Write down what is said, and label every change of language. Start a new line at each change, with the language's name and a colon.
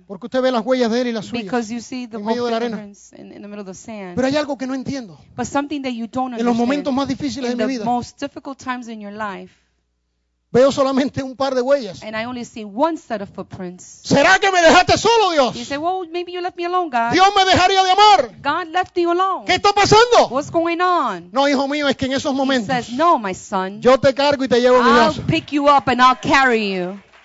Spanish: Porque usted ve las huellas de él y las suyas.
English: Because you see the footprints in the middle of the sand.
Spanish: Pero hay algo que no entiendo.
English: But something that you don't understand.
Spanish: En los momentos más difíciles de mi vida.
English: In the most difficult times in your life.
Spanish: Veo solamente un par de huellas.
English: And I only see one set of footprints.
Spanish: ¿Será que me dejaste solo, Dios?
English: You say, well, maybe you left me alone, God.
Spanish: Dios me dejaría de amar.
English: God left you alone.
Spanish: ¿Qué está pasando?
English: What's going on?
Spanish: No, hijo mío, es que en esos momentos.
English: He says, no, my son.
Spanish: Yo te cargo y te llevo en mi brazo.
English: I'll pick you up and I'll carry you.